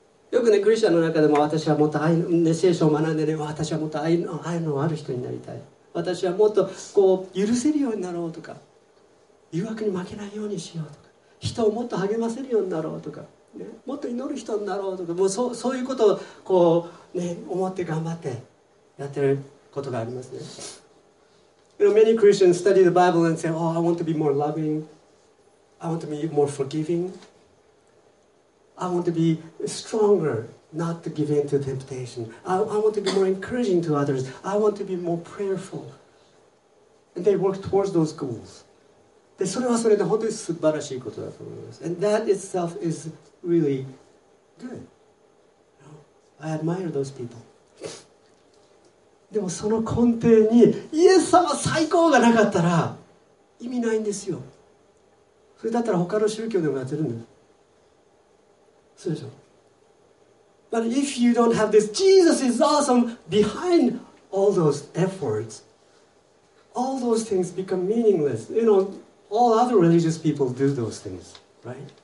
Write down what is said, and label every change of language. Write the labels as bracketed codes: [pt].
[ja] よくね、クリスチャンの中でも、私はもっと愛の、ね、聖書を学んでね、私はもっと愛のある人になりたい、私はもっとこう許せるようになろうとか、誘惑に負けないようにしようとか、人をもっと励ませるようになろうとか、ね、もっと祈る人になろうとか、もう そういうことをこう、ね、思って頑張ってやってることがありますね。 [en] You know, many Christians study the Bible and say, oh, I want to be more loving, I want to be more forgivingI want to be stronger, not to give in to temptation. I want to be more encouraging to others. I want to be more prayerful. And they work towards those goals. [ja] で、それはそれで本当に素晴らしいことだと思います。 [en] And that itself is really good. You know, I admire those people. [ja] でもその根底にイエス様最高がなかったら意味ないんですよ。それだったら他の宗教でもやってるんです。そうでしょ。 [en] But if you don't have this, Jesus is awesome behind all those efforts. All those things become meaningless. You know, all other religious people do those things, right?